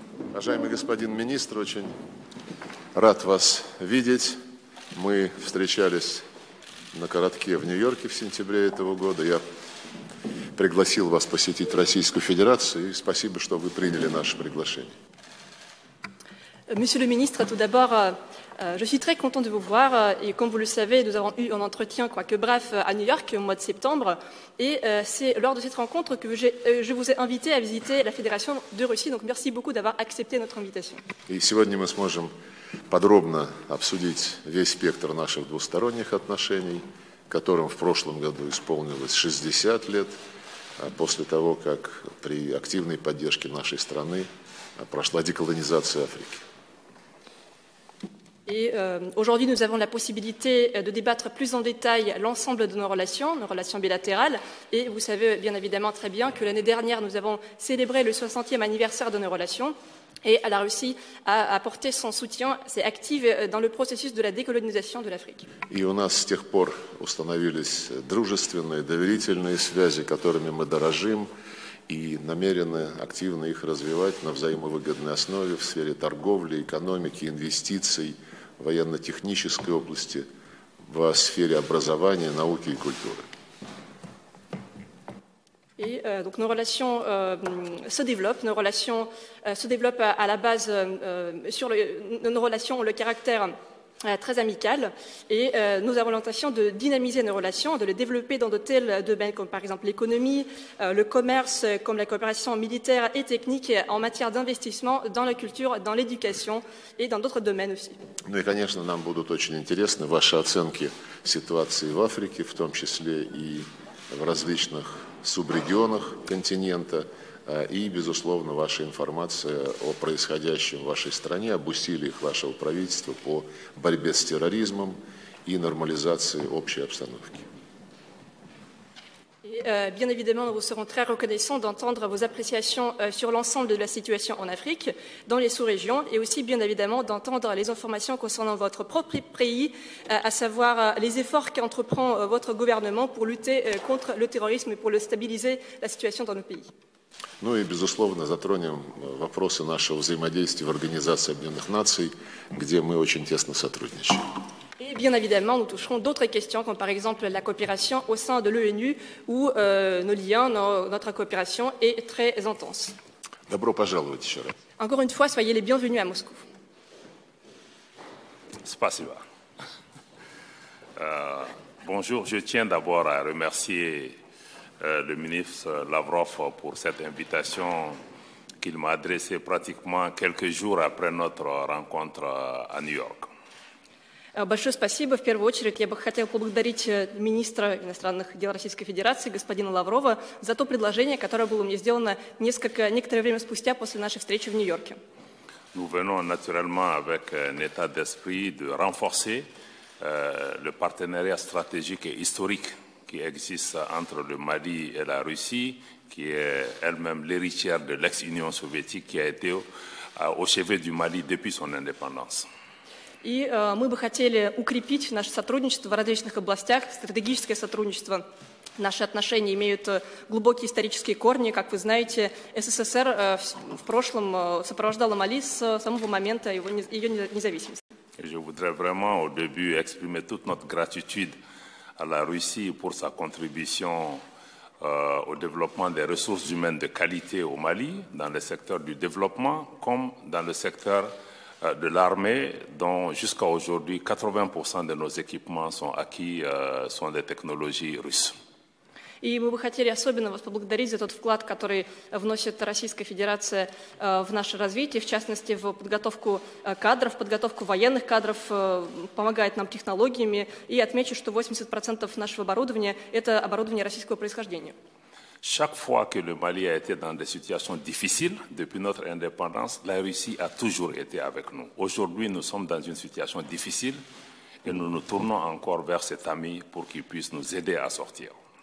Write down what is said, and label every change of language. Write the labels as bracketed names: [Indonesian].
[Russian] Уважаемый господин министр, очень рад вас видеть. Мы встречались на коротке в Нью-Йорке в сентябре этого года. Я пригласил вас посетить Российскую Федерацию, и спасибо, что вы приняли наше приглашение. [French] Monsieur le ministre, tout d'abord, je suis très content de vous voir. Et comme vous le savez, nous avons eu un entretien, quoique bref, à New York au mois de septembre. Et c'est lors de cette rencontre que je vous ai invité à visiter la Fédération de Russie. Donc merci beaucoup d'avoir accepté notre invitation. Et [Russian] сегодня мы сможем подробно обсудить весь спектр наших двусторонних отношений, которым в прошлом году исполнилось 60 лет, после того, как при активной поддержке нашей страны прошла деколонизация Африки. [French] Et aujourd'hui, nous avons la possibilité de débattre plus en détail l'ensemble de nos relations bilatérales. Et vous savez bien évidemment très bien que l'année dernière, nous avons célébré le 60e anniversaire de nos relations. Et la Russie a apporté son soutien, s'est active dans le processus de la décolonisation de l'Afrique. Et on a, [Russian] с тех пор, установились дружественные, доверительные связи, которыми мы дорожим. И намерены активно их развивать на взаимовыгодной основе в сфере торговли, экономики, инвестиций, военно-технической области, в сфере образования, науки и культуры. И [French] donc nos relations se développent, nos relations se développent à la base sur nos relations ont le caractère très amical, et nous avons l'intention de dynamiser nos relations, de les développer dans de tels domaines comme par exemple l'économie, le commerce, comme la coopération militaire et technique en matière d'investissement dans la culture, dans l'éducation et dans d'autres domaines aussi. [Russian] Ну и, конечно, нам будут очень интересны ваши оценки ситуации в Африке, в том числе и в различных субрегионах континента, и, безусловно, ваша информация о происходящем в вашей стране, об усилиях вашего правительства по борьбе с терроризмом и нормализации общей обстановки. [French] Et bien évidemment, nous vous serons très reconnaissants d'entendre vos appréciations sur l'ensemble de la situation en Afrique, dans les sous-régions, et aussi bien évidemment d'entendre les informations concernant votre propre pays, à savoir les efforts qu'entreprend votre gouvernement pour lutter contre le terrorisme et pour le stabiliser la situation dans nos pays. [Russian] Ну и, безусловно, затронем вопросы нашего взаимодействия в Организации Объединенных Наций, где мы очень тесно сотрудничаем. И, [French] bien évidemment, nous toucherons d'autres questions, comme par exemple la coopération au sein de l'ONU, où nos liens, notre coopération est très intense. [Russian] Добро пожаловать еще раз. [French] Encore une fois, soyez les bienvenus à Moscou. [Russian] Спасибо. [French] Bonjour, je tiens d'abord à remercier le ministre Lavrov pour cette invitation qu'il m'a adressée pratiquement quelques jours après notre rencontre à New York. [Russian] Большое спасибо. В первую очередь я бы хотел поблагодарить министра иностранных дел Российской Федерации господина Лаврова за то предложение, которое было мне сделано некоторое время спустя после нашей встречи в Нью-Йорке. [French] Nous venons naturellement avec un état d'esprit de renforcer le partenariat stratégique et historique qui existe entre le Mali et la Russie, qui est elle-même l'héritière de l'ex-Union soviétique qui a été au chevet du Mali depuis son indépendance. [Russian] И мы бы хотели укрепить наше сотрудничество в различных областях, стратегическое сотрудничество. Наши отношения имеют глубокие исторические корни. Как вы знаете, СССР в прошлом сопровождала Мали с самого момента ее независимости. [French] Je voudrais vraiment au début exprimer toute notre gratitude à la Russie pour sa contribution au développement des ressources humaines de qualité au Mali, dans le secteur du développement, comme dans le secteur de l'armée, dont jusqu'à aujourd'hui 80% de nos équipements sont acquis, sont des technologies russes. [Russian] И мы бы хотели особенно вас поблагодарить за тот вклад, который вносит Российская Федерация в наше развитие, в частности, в подготовку кадров, подготовку военных кадров, помогает нам технологиями, и отмечу, что 80% нашего оборудования – это оборудование российского происхождения. [French] Chaque fois que le Mali a été dans des situations difficiles depuis notre indépendance, la Russie a toujours été avec nous. Aujourd'hui, nous sommes dans une situation difficile et nous nous tournons encore vers cet ami pour qu'il puisse nous aider à sortir.